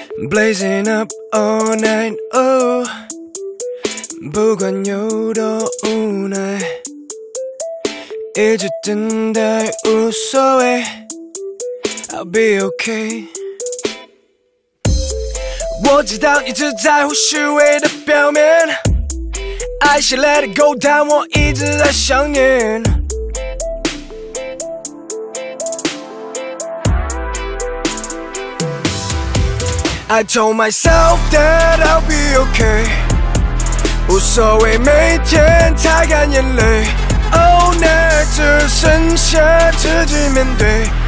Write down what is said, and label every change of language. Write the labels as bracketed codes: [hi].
[en] Blazing up all night, [zh] oh， 不管有多无奈，一直等待无所谓 ， [en] I'll be okay。 [zh] 我知道你只在乎虚伪的表面，爱是 [en] let it go， [zh] 但我一直在想念。 [en] I told myself that I'll be okay， [zh] 无所谓每天擦干眼泪。 Oh， 那只剩下自己面对。